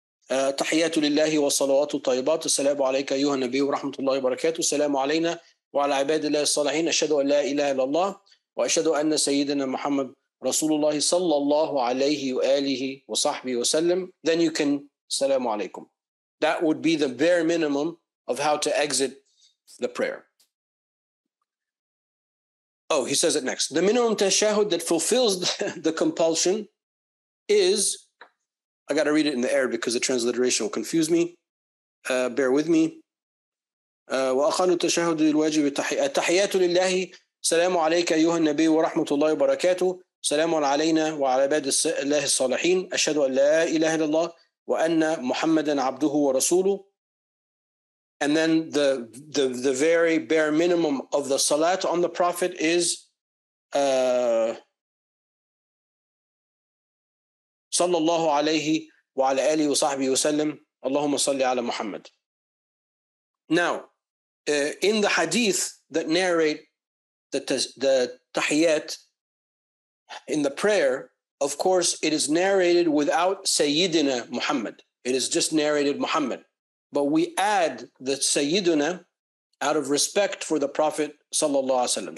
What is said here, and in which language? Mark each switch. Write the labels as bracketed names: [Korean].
[Arabic] تحياتُ لله وصلواتُ طيبات السلام عليك أيها النبي ورحمة الله وبركاته السلام علينا وعلى عباد الله الصالحين أشهد أن لا إله إلا الله وأشهد أن سيدنا محمد رسول الله صلى الله عليه وآله وصحبه وسلم. [English] Then you can [Arabic] السلام عليكم. [English] That would be the bare minimum of how to exit the prayer. Oh, he says it next. The minimum tashahud that fulfills the compulsion is, I got to read it in the Arabic because the transliteration will confuse me. Bear with me. [Arabic] وَأَخَانُ التَّشَهُدُ الْوَاجِبِ التَّحِيَّاتُ لِلَّهِ سَلَامُ عَلَيْكَ أَيُّهَا النَّبِيُّ وَرَحْمَةُ اللَّهِ وَبَرَكَاتُهُ سَلَامٌ عَلَيْنَا وَعَلَى عِبَادِ اللَّهِ الصَّالِحِينَ أَشْهَدُ أَنْ لَا إِلَهَ إِلَّا اللَّهُ وَأَنَّ مُحَمَّدًا عَبْدُهُ وَرَسُولُهُ. [English] And then the very bare minimum of the salat on the Prophet is [Arabic] صلى الله عليه وعلى آله وصحبه وسلم اللهم صل على محمد. [English] Now, in the hadith that narrate the tahiyat in the prayer, of course, it is narrated without Sayyidina Muhammad. It is just narrated Muhammad. But we add the Sayyiduna out of respect for the Prophet صلى الله عليه وسلم.